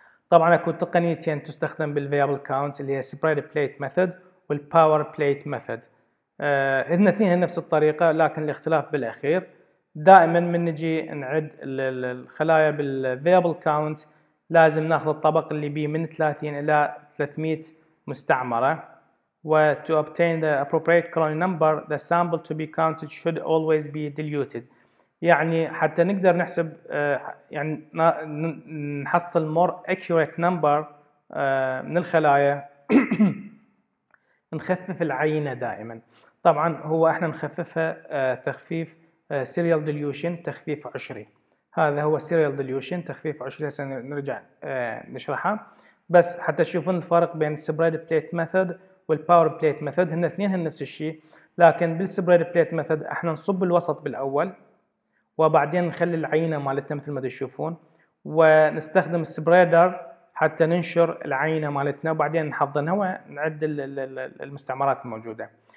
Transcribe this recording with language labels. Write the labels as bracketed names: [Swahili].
[Arabic] طبعا اكو تقنيتين تستخدم بالفيابل كاونت اللي هي سبريد بليت ميثود والباور بليت ميثود. هن اثنين هن نفس الطريقه لكن الاختلاف بالاخير. دائما من نجي نعد الخلايا بالفيابل كاونت لازم ناخذ الطبق اللي بيه من 30 الى 300 مستعمره. [English] و to obtain the appropriate colony number the sample to be counted should always be diluted، [Arabic] يعني حتى نقدر نحسب يعني نحصل [English] more accurate number [Arabic] من الخلايا نخفف العينه دائما. طبعا هو احنا نخففها تخفيف serial dilution تخفيف 20، هذا هو serial dilution تخفيف 20 سنرجع نشرحها، بس حتى تشوفون الفرق بين spread plate method والباور بليت ميثود. هن اثنين هن نفس الشيء، لكن بالسبريد بليت ميثود احنا نصب الوسط بالاول وبعدين نخلي العينه مالتنا مثل ما تشوفون، ونستخدم السبريدر حتى ننشر العينه مالتنا وبعدين نحضنها ونعد المستعمرات الموجوده.